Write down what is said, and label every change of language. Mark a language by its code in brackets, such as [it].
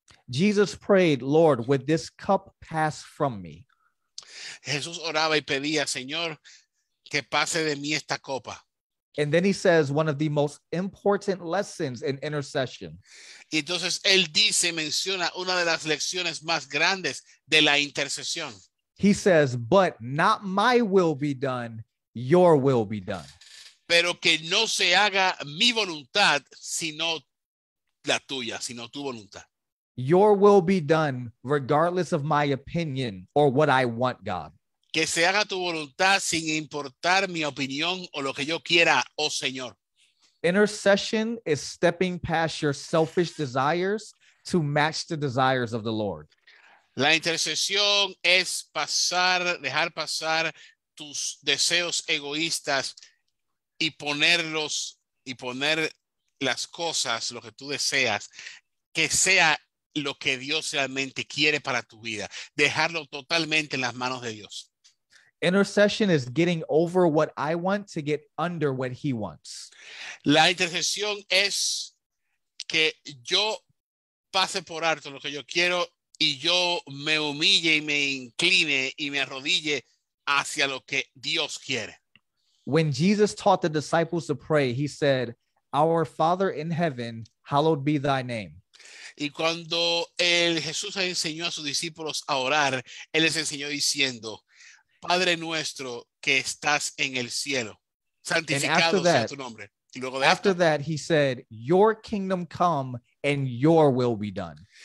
[en] Jesus prayed, Lord, would this cup pass from me? [es] Jesús oraba y pedía, Señor, que pase de mí esta copa. [en] And then he says one of the most important lessons in intercession. [es] Y entonces él dice, menciona una de las lecciones más grandes de la intercesión. [en] He says, but not my will be done, your will be done. [es] Pero que no se haga mi voluntad, sino la tuya, sino tu voluntad. [en] Your will be done regardless of my opinion or what I want, God. [es] Que se haga tu voluntad sin importar mi opinión o lo que yo quiera, oh Señor. [en] Intercession is stepping past your selfish desires to match the desires of the Lord. [es] La intercesión es pasar, dejar pasar tus deseos egoístas y ponerlos, y poner las cosas, lo que tú deseas, que sea lo que Dios realmente quiere para tu vida. Dejarlo totalmente en las manos de Dios. [en] Intercession is getting over what I want to get under what he wants. [es] La intercesión es que yo pase por alto lo que yo quiero y yo me humille y me incline y me arrodille hacia lo que Dios quiere. [en] When Jesus taught the disciples to pray, he said, "Our Father in heaven, hallowed be thy name." [es] Y cuando el Jesús enseñó a sus discípulos a orar, él les enseñó diciendo, Padre nuestro que estás en el cielo, santificado sea tu nombre. Y luego de [en] after that, he said, your kingdom come and your will be done.